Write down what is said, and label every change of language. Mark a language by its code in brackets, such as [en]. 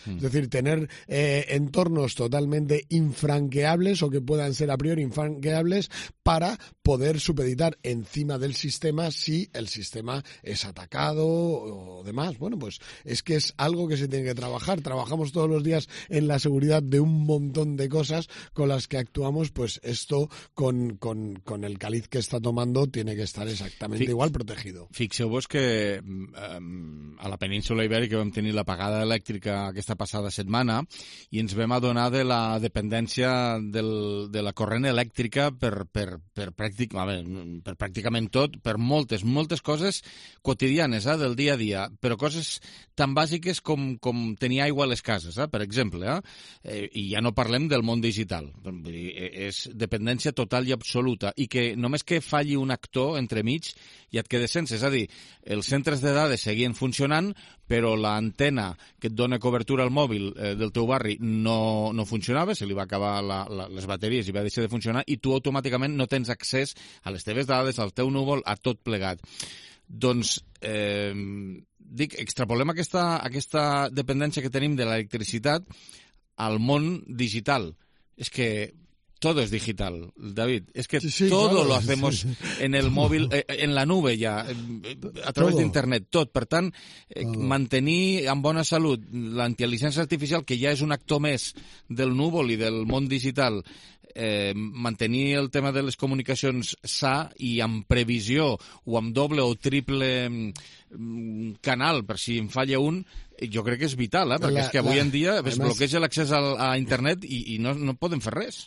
[es] Es decir, tener entornos totalmente infranqueables o que puedan ser a priori infranqueables para poder supeditar encima del sistema si el sistema es atacado o demás. Bueno, pues es que es algo que se tiene que trabajar. Trabajamos todos los días en la seguridad de un montón de cosas con las que actuamos, pues esto con el cáliz que está tomando tiene que estar exactamente igual protegido. [ca] Fixeu-vos que a la península Ibèrica vam tenir l'apagada elèctrica aquesta passada setmana i ens vam adonar de la dependència de la corrent elèctrica per pràcticament tot, per moltes, moltes coses quotidianes, del dia a dia, però coses tan bàsiques com tenir aigua a les cases, per exemple, i ja no parlem del món digital, vull dir, és dependència total i absoluta, i que només que falli un actor entremig ja et quedes sense, és a dir, els centres de dades seguien funcionant, però l'antena que et dona cobertura al mòbil del teu barri no funcionava, se li va acabar les bateries i va deixar de funcionar, i tu automàticament no tens accés a les teves dades, al teu núvol, a tot plegat. Doncs, dic, extrapolem aquesta dependència que tenim de l'electricitat al món digital. És que [es] todo es digital, David. Es que sí, todo, claro, lo hacemos, sí, en el móvil, en la nube ya, a través de internet, [ca] tot. Per tant, mantenir en bona salut l'intel·ligència artificial, que ja és un actor més del núvol i del món digital, mantenir el tema de les comunicacions sa i amb previsió o amb doble o triple canal, per si en falla un, jo crec que és vital, perquè és que avui en dia es bloqueja l'accés a internet i no podem fer res.